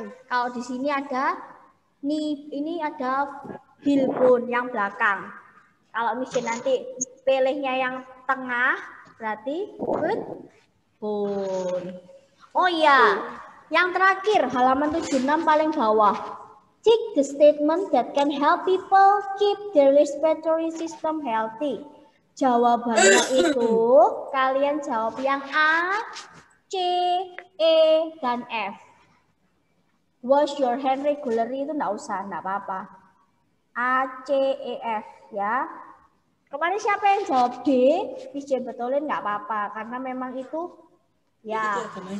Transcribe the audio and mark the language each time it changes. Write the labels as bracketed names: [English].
[Indonesian] Kalau di sini ada knee, ini ada heel bone yang belakang. Kalau misalnya nanti pilihnya yang tengah, berarti foot bone. Oh iya. Yang terakhir, halaman 76 paling bawah. [English] Take the statement that can help people keep their respiratory system healthy. [Indonesian] Jawabannya itu, kalian jawab yang A, C, E, dan F. [English] Wash your hand regularly [Indonesian] itu enggak usah, enggak apa-apa. A, C, E, F ya. Kemarin siapa yang jawab D? Bisa betulin enggak apa-apa, karena memang itu ya.